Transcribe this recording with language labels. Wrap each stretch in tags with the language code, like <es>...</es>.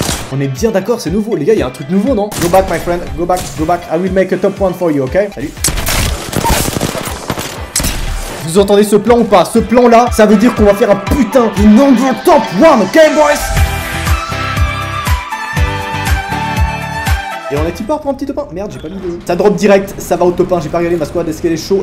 <fr>On est bien d'accord, c'est nouveau, les gars, il y a un truc nouveau, non?</fr> <en>Go back, my friend, go back, go back. I will make a top one for you, ok?</en> <fr>Salut. Vous entendez ce plan ou pas? Ce plan-là, ça veut dire qu'on va faire un putain de nouveau top one, ok, boys? Et on est-il pas pour un petit top 1? Merde, j'ai pas mis de... Ça drop direct, ça va au top 1, j'ai pas regardé ma squad. Est-ce qu'elle est chaud?</fr>